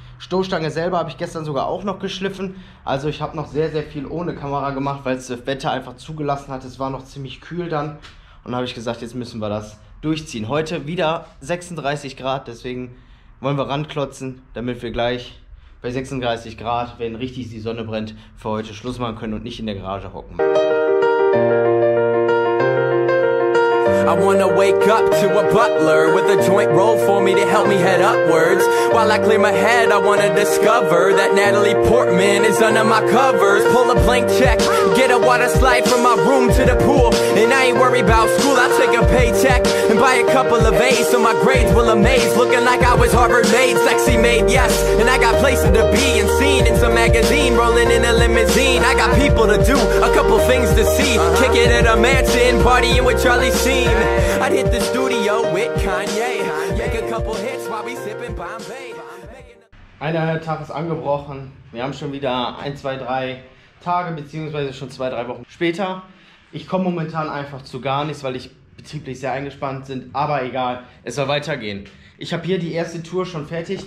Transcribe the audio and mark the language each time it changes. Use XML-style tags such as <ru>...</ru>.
<de>Stoßstange selber habe ich gestern sogar auch noch geschliffen. Also ich habe noch sehr, sehr viel ohne Kamera gemacht, weil es das Wetter einfach zugelassen hat. Es war noch ziemlich kühl dann und dann habe ich gesagt, jetzt müssen wir das durchziehen. Heute wieder 36 Grad, deswegen wollen wir ranklotzen, damit wir gleich bei 36 Grad, wenn richtig die Sonne brennt, für heute Schluss machen können und nicht in der Garage hocken.</de> <en>I wanna wake up to a butler with a joint roll for me to help me head upwards. While I clear my head, I wanna discover that Natalie Portman is under my covers. Pull a blank check, get a water slide from my room to the pool. And I ain't worried about school, I'll take a paycheck and buy a couple of A's so my grades will amaze. Looking like I was Harvard made, sexy made, yes. And I got places to be and seen in some magazine, rolling in a limousine. I got people to do, a couple things to see. Kick it at a mansion, partying with Charlie Sheen. I'd hit the studio with Kanye. Make a couple hits while we sippin' Bombay.</en> <de>Einer Tag ist angebrochen. Wir haben schon wieder 1, 2, 3 Tage beziehungsweise schon 2, 3 Wochen später. Ich komme momentan einfach zu gar nichts, weil ich betrieblich sehr eingespannt bin. Aber egal, es soll weitergehen. Ich habe hier die erste Tour schon fertig.</de>